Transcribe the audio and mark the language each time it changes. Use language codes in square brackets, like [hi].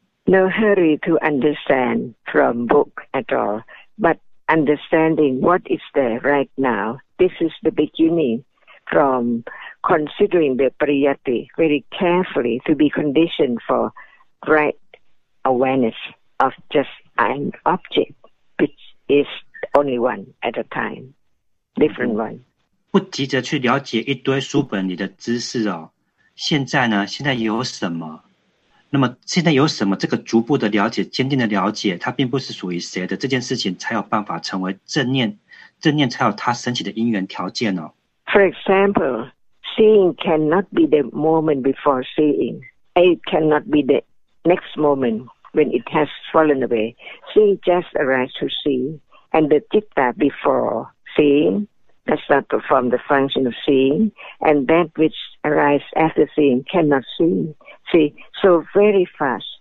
[en] No hurry to understand from book at all, but understanding what is there right now, this is the beginning from considering the priyati very carefully to be conditioned for right awareness of just an object whichIs only one at a time, different one. [zh] 不急着去了解一堆书本里的知识哦。现在呢？现在有什么？那么现在有什么？这个逐步的了解，坚定的了解，它并不是属于谁的这件事情，才有办法成为正念。正念才有它升起的因缘条件哦。 [en] For example, seeing cannot be the moment before seeing. It cannot be the next moment. When it has fallen away, seeing just arise to see, and the citta before seeing does not perform the function of seeing, and that which arises after seeing cannot see. See, so very fast,